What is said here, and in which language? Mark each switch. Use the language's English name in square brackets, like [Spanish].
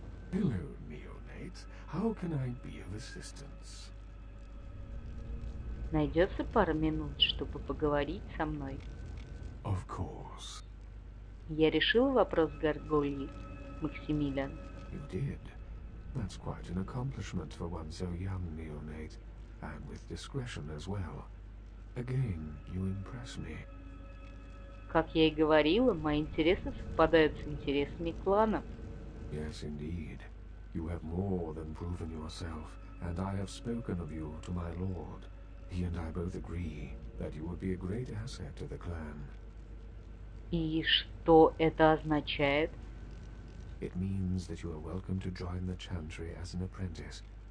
[English] How can I be of assistance? [Russian] Найдется пара минут, чтобы поговорить со мной. [English] Of course. [Russian] Я решил вопрос с Гаргольей, Максимилиан. [English] You did. That's quite an accomplishment for one so young, Neonate. And with discretion as well. Again, you impress me. [Russian] Как я и говорила, мои интересы совпадают с интересами клана. [English] Yes, indeed. You have more than proven yourself, and I have spoken of you to my lord. He and I both agree that you would be a great asset to the clan. [Russian] И что это означает? [English] It means that you are welcome to join the Chantry as an apprentice.